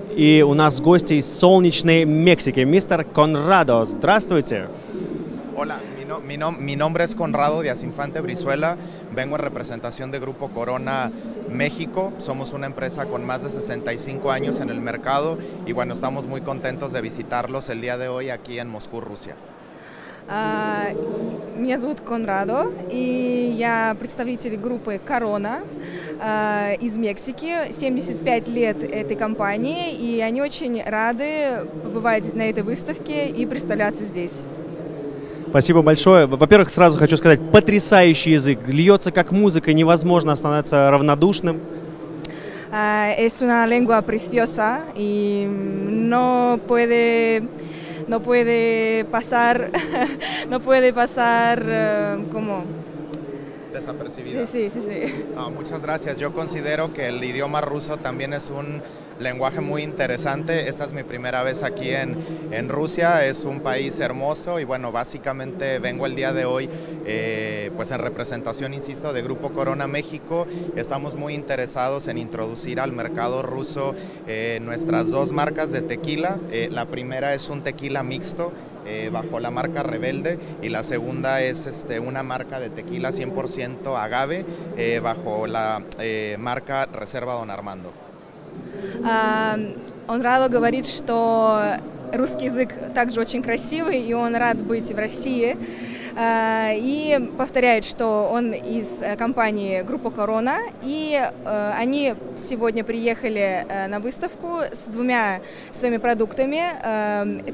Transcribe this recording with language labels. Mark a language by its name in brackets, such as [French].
[Russian] И у нас гости из солнечной Мексики. Мистер Конрадо, здравствуйте. [Spanish] Hola, mi nombre es Conrado Díaz Infante Brizuela. Vengo en representación de Grupo Corona México. Somos una empresa con más de 65 años en el mercado y bueno, estamos muy contentos de visitarlos el día de hoy aquí en Moscú, Rusia. [Russian] Меня зовут Конрадо, и я представитель группы Corona из Мексики. 75 лет этой компании, и они очень рады побывать на этой выставке и представляться здесь. Спасибо большое. Во-первых, сразу хочу сказать, потрясающий язык, льется как музыка, невозможно остановиться равнодушным. [Spanish] Es una lengua preciosa y no puede pasar como desapercibida. Sí. Oh, muchas gracias. Yo considero que el idioma ruso también es un lenguaje muy interesante. Esta es mi primera vez aquí en Rusia. Es un país hermoso y bueno, básicamente vengo el día de hoy pues en representación, insisto, de Grupo Corona México. Estamos muy interesados en introducir al mercado ruso nuestras dos marcas de tequila. La primera es un tequila mixto bajo la marca Rebelde y la segunda es una marca de tequila 100% agave bajo la marca Reserva Don Armando. [Russian] Он рад говорит, что русский язык также очень красивый, и он рад быть в России. И повторяет, что он из компании Группа Корона, и они сегодня приехали на выставку с двумя своими продуктами.